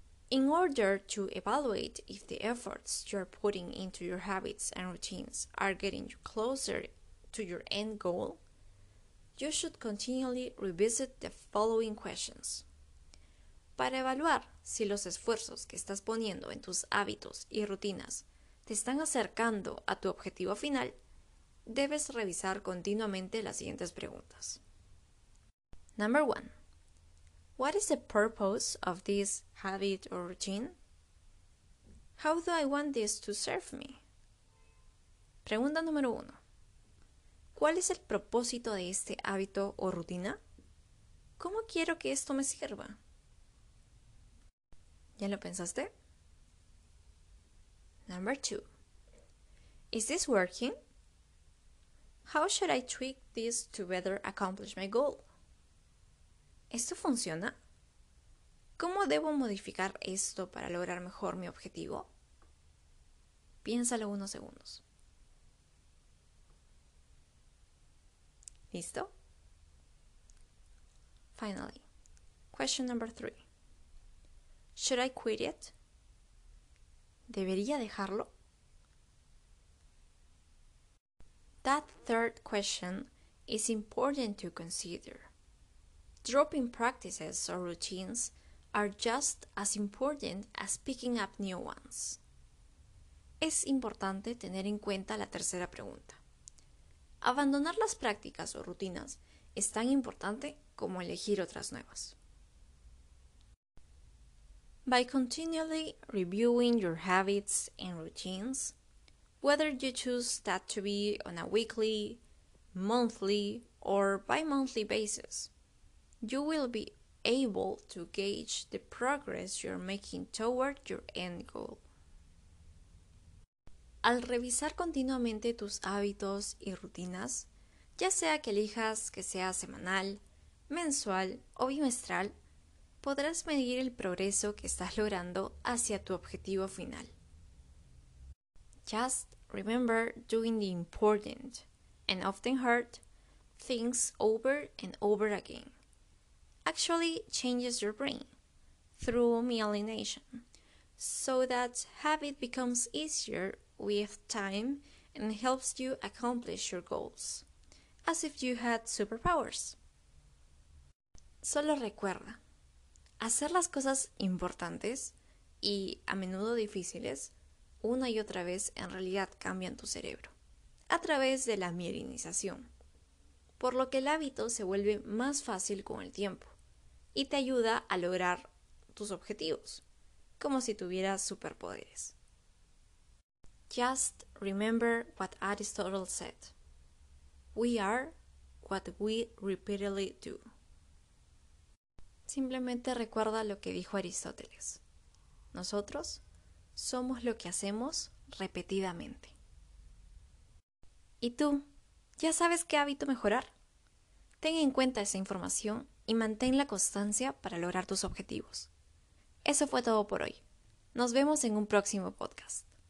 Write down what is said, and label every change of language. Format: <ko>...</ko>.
<en>In order to evaluate if the efforts you're putting into your habits and routines are getting you closer to your end goal, you should continually revisit the following questions.</en> <es>Para evaluar si los esfuerzos que estás poniendo en tus hábitos y rutinas te están acercando a tu objetivo final, debes revisar continuamente las siguientes preguntas.</es> <en>Number 1. What is the purpose of this habit or routine? How do I want this to serve me?</en> <es>Pregunta número 1. ¿Cuál es el propósito de este hábito o rutina? ¿Cómo quiero que esto me sirva? ¿Ya lo pensaste?</es> <en>Number 2. Is this working? How should I tweak this to better accomplish my goal?</en> <es>¿Esto funciona? ¿Cómo debo modificar esto para lograr mejor mi objetivo? Piénsalo unos segundos. ¿Listo?</es> <en>Finally, question number 3. Should I quit it?</en> <es>¿Debería dejarlo?</es> <en>That third question is important to consider. Dropping practices or routines are just as important as picking up new ones.</en> <es>Es importante tener en cuenta la tercera pregunta. Abandonar las prácticas o rutinas es tan importante como elegir otras nuevas.</es> <en>By continually reviewing your habits and routines, whether you choose that to be on a weekly, monthly, or bi-monthly basis, you will be able to gauge the progress you're making toward your end goal.</en> <es>Al revisar continuamente tus hábitos y rutinas, ya sea que elijas que sea semanal, mensual o bimestral, podrás medir el progreso que estás logrando hacia tu objetivo final.</es> <en>Just remember doing the important and often hard things over and over again. Actually changes your brain through myelination so that habit becomes easier with time and helps you accomplish your goals as if you had superpowers.</en> <es>Solo recuerda, hacer las cosas importantes y a menudo difíciles una y otra vez en realidad cambian tu cerebro a través de la mielinización, por lo que el hábito se vuelve más fácil con el tiempo y te ayuda a lograr tus objetivos, como si tuvieras superpoderes.</es> <en>Just remember what Aristotle said. We are what we repeatedly do.</en> <es>Simplemente recuerda lo que dijo Aristóteles. Nosotros somos lo que hacemos repetidamente. ¿Y tú? ¿Ya sabes qué hábito mejorar? Ten en cuenta esa información y mantén la constancia para lograr tus objetivos. Eso fue todo por hoy. Nos vemos en un próximo podcast.</es>